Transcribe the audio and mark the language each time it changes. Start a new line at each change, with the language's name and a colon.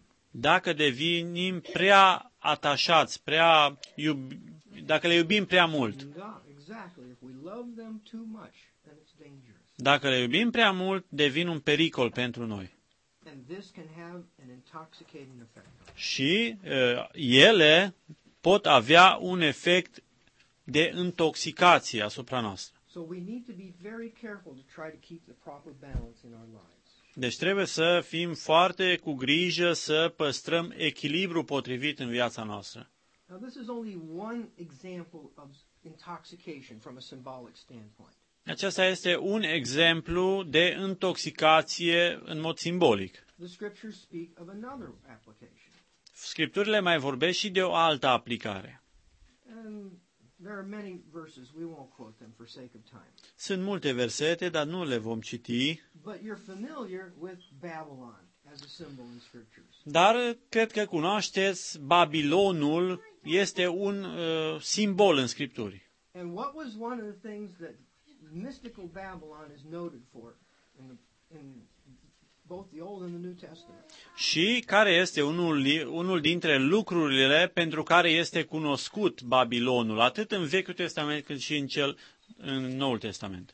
Romanian: Dacă devenim prea atașați, prea dacă le iubim prea mult.
English: Da, exactly. If we love them too much, then it's dangerous.
Romanian: Dacă le iubim prea mult, devin un pericol pentru noi.
English: And this can have an intoxicating effect.
Romanian: Și ele pot avea un efect de intoxicație asupra noastră.
English: So we need to be very careful to try to keep the proper balance in our lives.
Romanian: Deci trebuie să fim foarte cu grijă să păstrăm echilibru potrivit în viața noastră.
English: Now, this is only one example of intoxication from a symbolic standpoint.
Romanian: Acesta este un exemplu de intoxicație în mod simbolic.
English: The scriptures speak of another application.
Romanian: Scripturile mai vorbesc și de o altă aplicare.
English: And there are many verses, we won't quote them for sake of time.
Romanian: Sunt multe versete, dar nu le vom citi.
English: But you're familiar with Babylon as a symbol in scriptures.
Romanian: Dar cred că cunoașteți Babilonul, este un simbol în scripturi.
English: And what was one of the things that mystical Babylon is noted for in both the Old and the New Testament?
Romanian: Și care este unul dintre lucrurile pentru care este cunoscut Babilonul, atât în Vechiul Testament cât și în Noul Testament?